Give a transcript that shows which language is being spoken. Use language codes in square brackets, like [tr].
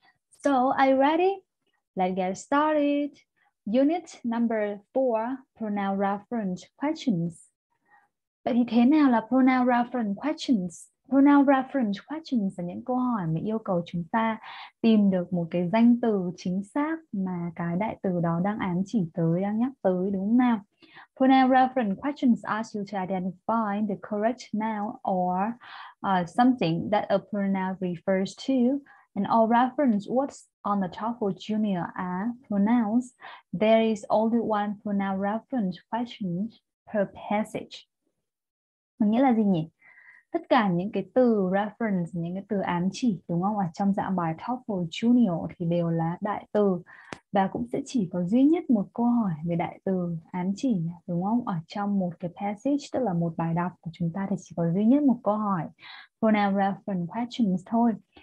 [en] So, are you ready? Let's get started. Unit number 4, pronoun reference questions. [vi] Vậy thì thế nào là pronoun reference questions? Pronoun reference questions là những câu hỏi mà yêu cầu chúng ta tìm được một cái danh từ chính xác mà cái đại từ đó đang ám chỉ tới, đang nhắc tới, đúng không nào? [en] Pronoun reference questions ask you to identify the correct noun or something that a pronoun refers to, and all reference words on the TOEFL Junior are pronouns. There is only one pronoun reference question per passage. [vi] Mình nghĩa là gì nhỉ? Tất cả những cái từ reference, những cái từ ám chỉ, đúng không, ở trong dạng bài TOEFL Junior thì đều là đại từ, và cũng sẽ chỉ có duy nhất một câu hỏi về đại từ ám chỉ, đúng không, ở trong một cái passage, tức là một bài đọc của chúng ta thì chỉ có duy nhất một câu hỏi pronoun reference questions thôi.